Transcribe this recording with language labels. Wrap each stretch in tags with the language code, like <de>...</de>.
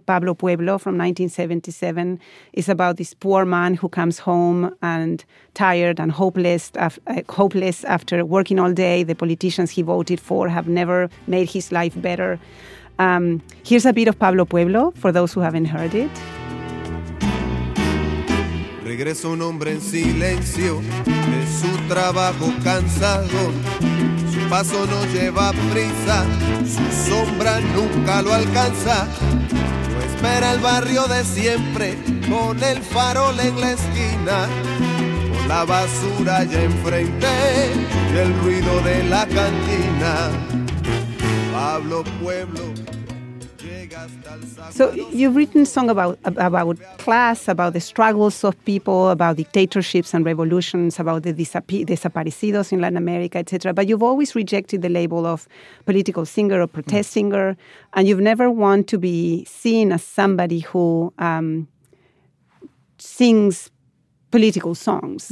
<en>Pablo Pueblo from 1977 is about this poor man who comes home and tired and hopeless after working all day. The politicians he voted for have never made his life better. Here's a bit of Pablo Pueblo for those who haven't heard it.</en> <es>Regresa un hombre en silencio de su trabajo cansado. Su paso no lleva prisa, su sombra nunca lo alcanza. No espera el barrio de siempre con el farol en la esquina, con la basura ya enfrente y el ruido de la cantina. Pablo Pueblo.</es> <en>So you've written a song about class, about the struggles of people, about dictatorships and revolutions, about the desaparecidos in Latin America, etc. But you've always rejected the label of political singer or protest singer, and you've never wanted to be seen as somebody who sings political songs.</en>